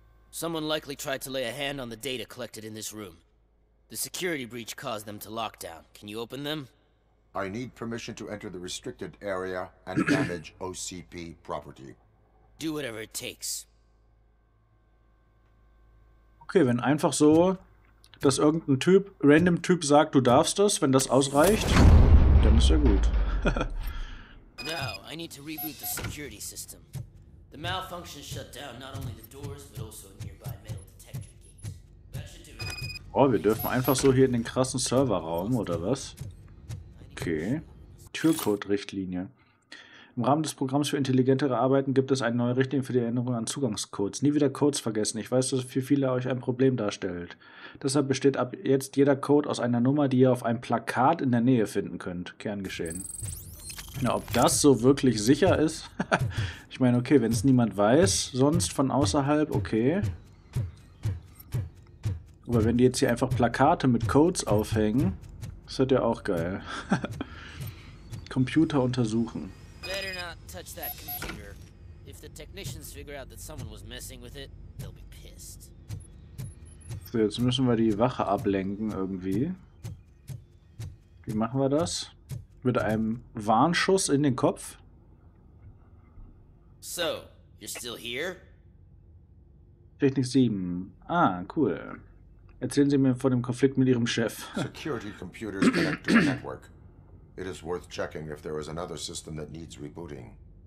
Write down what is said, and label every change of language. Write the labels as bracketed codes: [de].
[en] Someone likely tried to lay a hand on the data collected in this room. The security breach caused them to lock down. Can you open them? I need permission to enter the restricted area and damage OCP property. Do whatever it takes. [de] Okay, wenn einfach so, dass irgendein Typ, random Typ sagt, du darfst das, wenn das ausreicht, dann ist ja gut. [en] Now, I need to reboot the security system. The malfunction shut down not only the doors, but also a nearby metal detector gate. That should do it. [de] Oh, wir dürfen einfach so hier in den krassen Serverraum, oder was? Okay. Türcode-Richtlinie. Im Rahmen des Programms für intelligentere Arbeiten gibt es eine neue Richtlinie für die Erinnerung an Zugangscodes. Nie wieder Codes vergessen. Ich weiß, dass für viele euch ein Problem darstellt. Deshalb besteht ab jetzt jeder Code aus einer Nummer, die ihr auf einem Plakat in der Nähe finden könnt. Kerngeschehen. Na, ob das so wirklich sicher ist? Ich meine, okay, wenn es niemand weiß, sonst von außerhalb, okay. Aber wenn die jetzt hier einfach Plakate mit Codes aufhängen, das hört ja auch geil. Computer untersuchen. [en] Better not touch that computer. If the technicians figure out that someone was messing with it, they'll be pissed. [de] So, jetzt müssen wir die Wache ablenken irgendwie. Wie machen wir das? Mit einem Warnschuss in den Kopf? [en] So, you're still here? [de] Technik 7. Ah, cool. Erzählen Sie mir von dem Konflikt mit Ihrem Chef. [en] Security computers connect to the network. It is worth checking if there is another system that needs rebooting.